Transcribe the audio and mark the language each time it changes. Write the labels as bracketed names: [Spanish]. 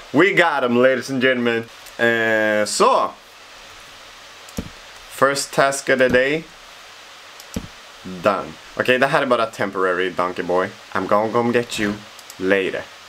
[English] We got him, ladies and gentlemen. So, first task of the day, done. [Swedish] Okej, okay, det här är bara temporary, [English] donkey boy. I'm gonna come get you later.